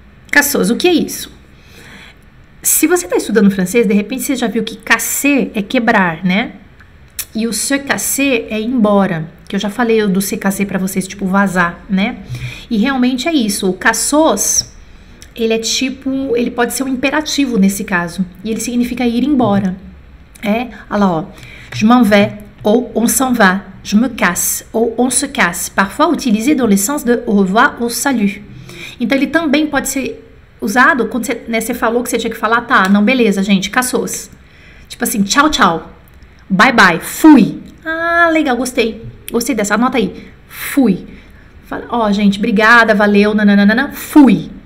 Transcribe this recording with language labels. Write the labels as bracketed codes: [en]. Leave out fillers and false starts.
[pt] Cassos, o que é isso? Se você está estudando francês, de repente você já viu que casser é quebrar, né? E o se casser é ir embora. Que eu já falei do se casser para vocês, tipo vazar, né? E realmente é isso. O cassos, ele é tipo, ele pode ser um imperativo nesse caso. E ele significa ir embora. [fr] É, alors, je m'en vais, ou on s'en va, je me casse, ou on se casse, parfois utilisé dans le sens de au revoir ou salut. [pt] Então, ele também pode ser usado quando você, né, você falou que você tinha que falar, tá, não, beleza, gente, cassos. Tipo assim, tchau, tchau, bye, bye, fui. Ah, legal, gostei, gostei dessa, anota aí, fui. Fala, ó, gente, obrigada, valeu, nananana, fui.